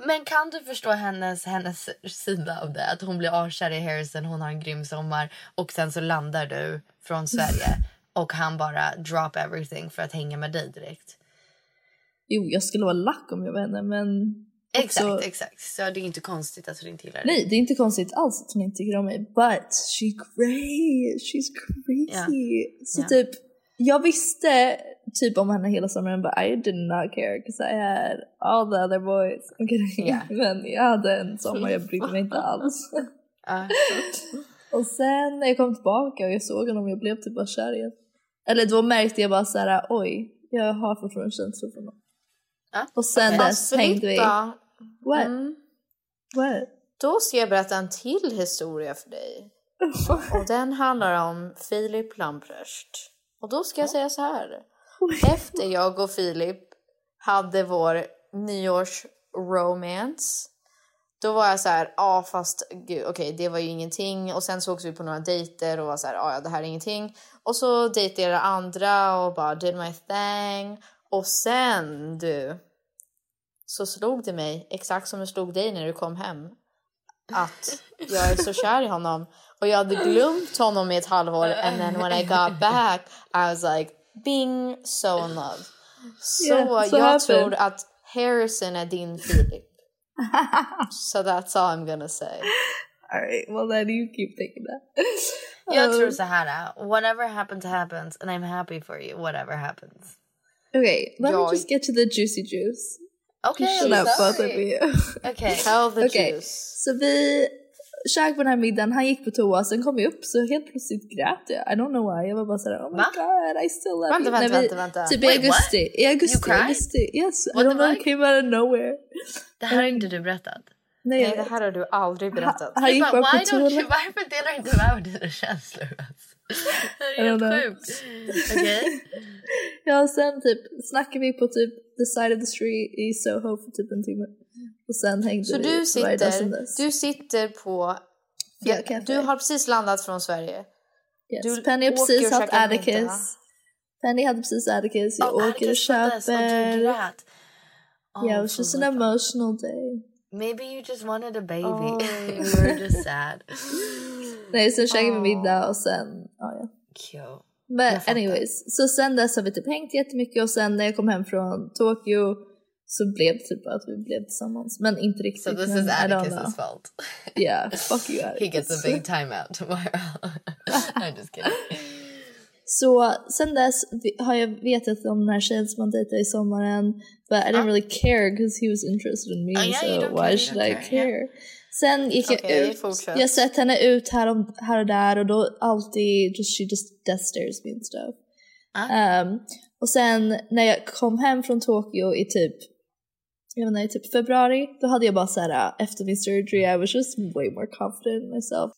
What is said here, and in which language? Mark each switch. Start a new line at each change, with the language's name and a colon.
Swedish: Men kan du förstå hennes sida av det? Att hon blir avkär i Harrison, hon har en grym sommar och sen så landar du från Sverige och han bara
English: drop everything
Swedish: för att hänga med dig direkt. Jo, jag skulle vara lack om jag var henne, men... Exakt. Så det är inte konstigt att hon inte gillar det. Nej, det är inte konstigt alls att hon inte tycker om mig.
English: But she great. She's crazy. Yeah.
Swedish: Så typ... Jag visste typ om henne hela sommaren,
English: but I did not care because I had all the other boys.
Swedish: Men jag hade en sommar, jag brydde mig inte alls. Och sen när jag kom tillbaka och jag såg honom, jag blev typ bara kär igen. Eller då märkte jag bara så här, oj, jag har fortfarande en känsla för honom. Och sen dess hängde vi.
English: What?
Swedish: Då ska jag berätta en till historia för dig. Och den handlar om Filip Lamprecht. Och då ska jag säga så här. Efter jag och Filip hade vår nyårs romance, då var jag så här, okej, det var ju ingenting. Och sen sågs vi på några dejter och var så här, ja, det här är ingenting. Och så dejtade jag andra och bara
English: did my thing.
Swedish: Och sen, du, så slog det mig, exakt som det slog dig när du kom hem, att jag är så kär i honom. Och jag hade glömt honom i ett halvår.
English: And then when I got back, I was like, bing, so in love.
Swedish: Så jag tror att Harrison är din Filip.
English: So that's all I'm gonna say. All right, well then you keep thinking that.
Swedish: Jag tror så här,
English: whatever happens, happens. And I'm happy for you, whatever happens. Okay, let me just get to the juicy juice. Okay, sorry. Both of you. Okay, tell the juice.
Swedish: Så vi... Käk på den här middagen, han gick på toa, sen kom jag upp, så helt plötsligt grät jag.
English: I don't know why,
Swedish: jag var bara såhär,
English: oh my god, I still love you.
Swedish: Vänta. Typ i augusti.
English: Yes, what I don't know, came out of nowhere.
Swedish: Det här har inte du berättat. Nej, det här har du aldrig berättat. Han gick bara på toa. Varför delar inte med dina känslor? Det är helt sjukt. Okay. Ja, sen typ snackar vi på typ
English: the side of the street
Swedish: i Soho för typ en timme. Och sen hängde så vi. Du sitter på... Ja, du har precis landat från Sverige. Yes. Penny har precis haft Atticus. Penny hade precis Atticus. Jag åker och köper. Ja, det var
English: just an emotional day. Maybe you just wanted a baby. Oh. You were just sad.
Swedish: Nej, sen käkade vi middag och sen... Oh, ja.
English: Cute. But anyways,
Swedish: så sen dess har vi typ hängt jättemycket. Och sen när jag kom hem från Tokyo så blev det typ att vi blev tillsammans. Men inte riktigt.
English: So this is Atticus's fault. Yeah, fuck you, Atticus. He gets a big time out tomorrow. I'm just kidding.
Swedish: Så sen dess har jag vetat om den här tjejen som han dejtade i sommaren.
English: But I didn't really care because he was interested in me. Yeah, so why should I care? Yeah.
Swedish: Sen gick jag ut. Fortsätt. Jag sett henne ut här och där. Och då alltid,
English: she just death stares me and stuff.
Swedish: Och sen när jag kom hem från Tokyo i typ, jag vet inte, typ februari. Då hade jag bara såhär, efter min surgery,
English: I was just way more confident in myself.